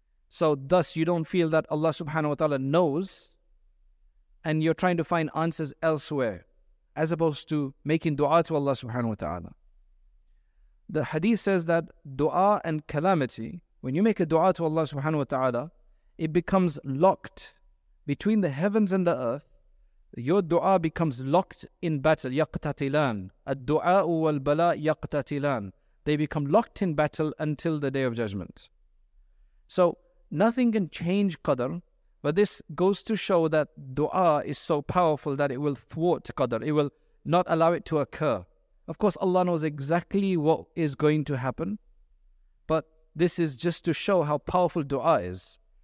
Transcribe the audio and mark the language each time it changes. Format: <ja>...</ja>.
<en>So thus you don't feel that Allah subhanahu wa ta'ala knows, and you're trying to find answers elsewhere as opposed to making dua to Allah subhanahu wa ta'ala. The hadith says that dua and calamity, when you make a dua to Allah subhanahu wa ta'ala, it becomes locked between the heavens and the earth your dua becomes locked in battle.</en> <ar>يقتتلان. الدعاء والبلاء يقتتلان.</ar> <en>They become locked in battle until the Day of Judgment. So nothing can change Qadr, but this goes to show that dua is so powerful that it will thwart Qadr. It will not allow it to occur. Of course, Allah knows exactly what is going to happen, but this is just to show how powerful dua is.</en>